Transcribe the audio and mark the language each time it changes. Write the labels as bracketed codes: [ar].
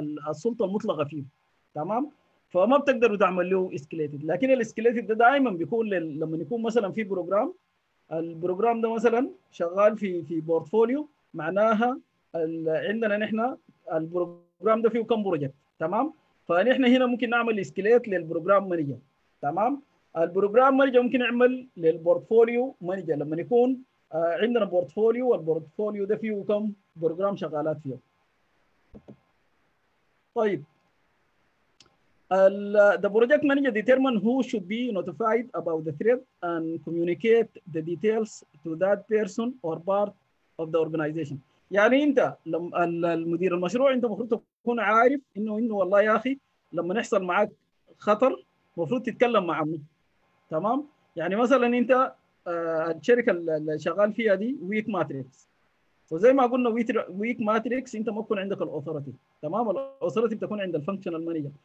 [ar] السلطه المطلقه فيه، تمام؟ فما بتقدروا تعمل له اسكليتد، لكن الاسكليتد ده دائما بيكون لما يكون مثلا في بروجرام، البروجرام ده مثلا شغال في بورتفوليو، معناها عندنا نحن البروجرام ده فيه كم بروجكت، تمام؟ فنحن هنا ممكن نعمل اسكليت للبروجرام مانجر، تمام؟ البروجرام مانجر ممكن يعمل للبورتفوليو مانجر لما يكون عندنا بورتفوليو، والبورتفوليو ده فيه كم بروجرام شغالات فيه. [en] طيب the project manager determine who should be notified about the threat and communicate the details to that person or part of the organization. [ar] يعني انت لما المدير المشروع انت المفروض تكون عارف انه والله يا اخي لما يحصل معك خطر المفروض تتكلم معه، تمام؟ يعني مثلا انت الشركه اللي شغال فيها دي ويك ماتريكس، وزي ما قلنا ويك ماتريكس انت ما تكون عندك الاوثوريتي، تمام؟ الاوثوريتي بتكون عند الفانكشنال مانجر.